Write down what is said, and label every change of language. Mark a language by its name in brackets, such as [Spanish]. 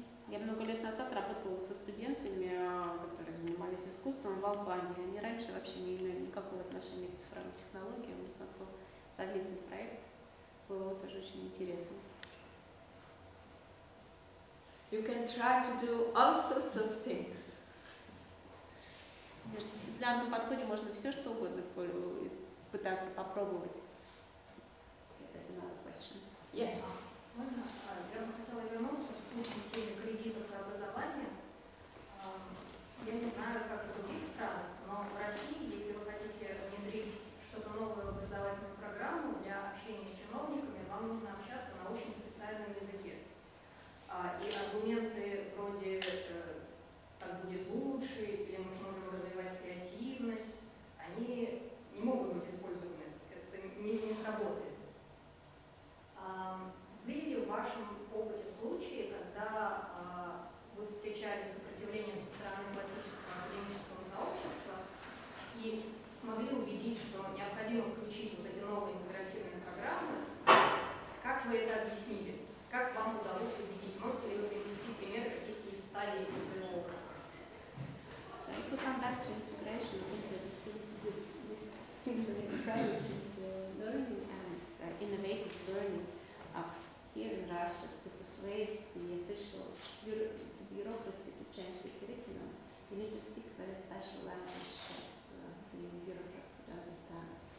[Russian] Я много лет назад работала со студентами, которые занимались искусством в Албании. Они раньше вообще не имели никакого отношения к цифровым технологиям. У нас был совместный проект, было вот тоже очень интересно. [English] You can try to do all sorts of things. [Russian] В данном подходе можно все что угодно пытаться попробовать. Это [English] another question. Yes. [Russian] Я бы хотела вернуться в случае теме кредитов и образования. Я не знаю, как в других странах, но в России, если вы хотите внедрить что-то новое в образовательную программу для общения с чиновниками, вам нужно общаться на очень специальном языке. И аргументы вроде «так будет лучше» или «мы сможем развивать креативность», они не могут быть использованы, это не сработает. Были ли в вашем опыте случаи, когда вы встречали сопротивление со стороны классического академического сообщества и смогли убедить, что необходимо включить вот эти новые интегративные программы, как вы это объяснили? Как вам удалось убедить? Можете ли вы привести пример каких-то из стадий из своего опыта? [English] So if we come back to integration, learning and innovative learning of here in Russia to persuade the officials, the bureaucracy to change the curriculum, you need to speak very special language so the bureaucrats to understand.